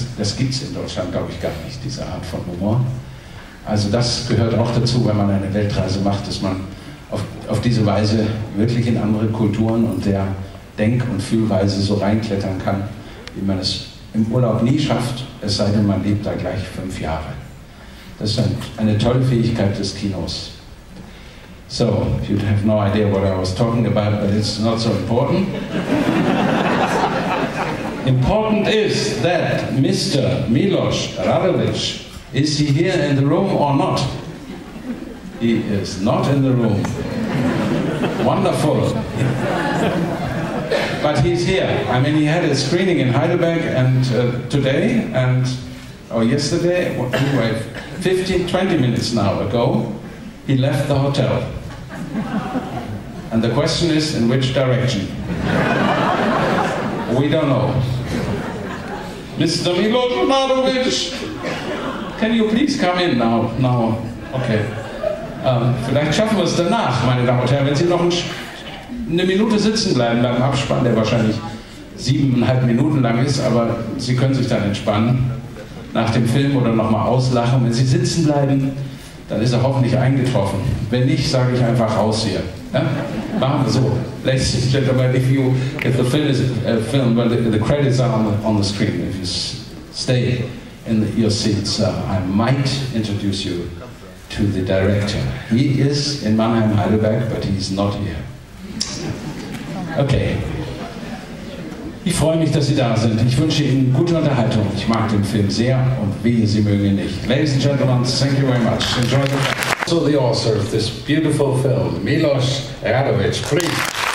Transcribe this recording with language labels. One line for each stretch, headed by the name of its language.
German: Das gibt es in Deutschland, glaube ich, gar nicht, diese Art von Humor. Also das gehört auch dazu, wenn man eine Weltreise macht, dass man auf diese Weise wirklich in andere Kulturen und der Denk- und Fühlweise so reinklettern kann, wie man es im Urlaub nie schafft, es sei denn, man lebt da gleich 5 Jahre. Das ist eine tolle Fähigkeit des Kinos.
English: So, you have no idea what I was talking about, but it's not so important. Important is that Mr. Milos Radovic, is he here in the room or not? He is not in the room. Wonderful. But he's here. I mean, he had a screening in Heidelberg and today, and or yesterday, anyway, 15, 20 minutes now ago, he left the hotel. And the question is, in which direction? We don't know. Mr. Milos Radovic, can you please come in now? Now, okay.
German: Vielleicht schaffen wir es danach, meine Damen und Herren, wenn Sie noch eine Minute sitzen bleiben beim Abspann, der wahrscheinlich 7,5 Minuten lang ist, aber Sie können sich dann entspannen nach dem Film oder nochmal auslachen. Wenn Sie sitzen bleiben, dann ist er hoffentlich eingetroffen. Wenn nicht, sage ich einfach raus hier. Ja? Machen wir so.
English: Ladies and gentlemen, if the film is filmed, well, the credits are on the screen. If you stay in your seats, I might introduce you to the director. He is in Mannheim-Heidelberg, but he's not here.
German: Okay. Ich freue mich, dass Sie da sind. Ich wünsche Ihnen gute Unterhaltung. Ich mag den Film sehr und wehe, Sie mögen ihn nicht.
English: Ladies and gentlemen, thank you very much. Enjoy the film. Also the author of this beautiful film, Milos Radovic, please.